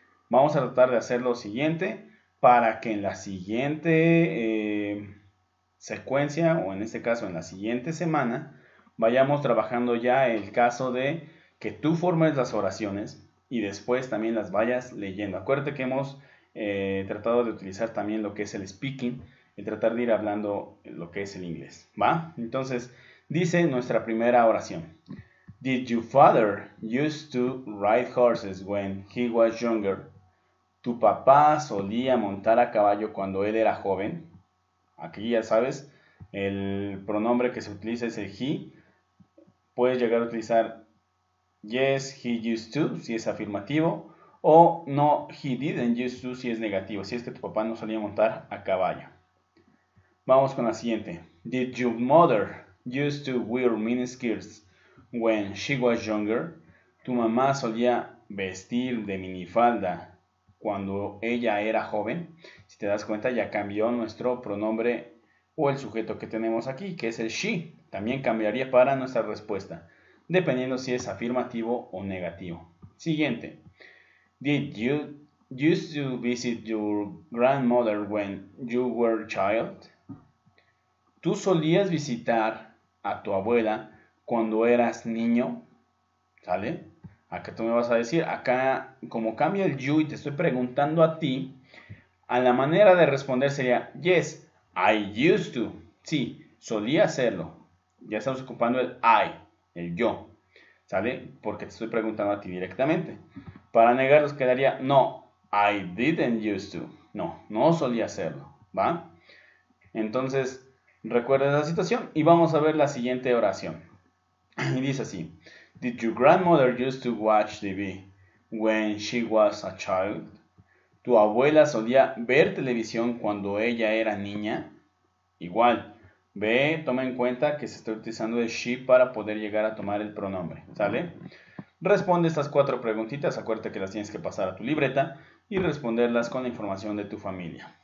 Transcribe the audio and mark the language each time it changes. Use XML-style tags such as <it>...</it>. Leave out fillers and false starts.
<es>Vamos a tratar de hacer lo siguiente para que en la siguiente secuencia, o en este caso en la siguiente semana, vayamos trabajando ya el caso de que tú formes las oraciones y después también las vayas leyendo. Acuérdate que hemos tratado de utilizar también lo que es el speaking, el tratar de ir hablando lo que es el inglés, ¿va? Entonces, dice nuestra primera oración.</es> <en>Did your father used to ride horses when he was younger?</en> <es>¿Tu papá solía montar a caballo cuando él era joven? Aquí ya sabes, el pronombre que se utiliza es el he. Puedes llegar a utilizar</es> <en>yes, he used to,</en> <es>si es afirmativo, o</es> <en>no, he didn't used to,</en> <es>si es negativo, si es que tu papá no solía montar a caballo. Vamos con la siguiente.</es> <en>Did your mother used to wear miniskirts when she was younger?</en> <es>¿Tu mamá solía vestir de minifalda cuando ella era joven? Si te das cuenta, ya cambió nuestro pronombre o el sujeto que tenemos aquí, que es el she. También cambiaría para nuestra respuesta, dependiendo si es afirmativo o negativo. Siguiente.</es> <en>Did you used to visit your grandmother when you were child?</en> <es>¿Tú solías visitar a tu abuela cuando eras niño? ¿Sale? Acá tú me vas a decir, acá como cambia el you y te estoy preguntando a ti, a la manera de responder sería,</es> <en>yes, I used to.</en> <es>Sí, solía hacerlo. Ya estamos ocupando el I, el yo. ¿Sale? Porque te estoy preguntando a ti directamente. Para negarlos quedaría,</es> <en>no, I didn't used to.</en> <es>No, no solía hacerlo. ¿Va? Entonces, recuerda esa situación y vamos a ver la siguiente oración. Y dice así.</es> <en>Did your grandmother used to watch TV when she was a child?</en> <es>¿Tu abuela solía ver televisión cuando ella era niña? Igual, ve, toma en cuenta que se está utilizando el she para poder llegar a tomar el pronombre, ¿sale? Responde estas cuatro preguntitas, acuérdate que las tienes que pasar a tu libreta y responderlas con la información de tu familia.</es>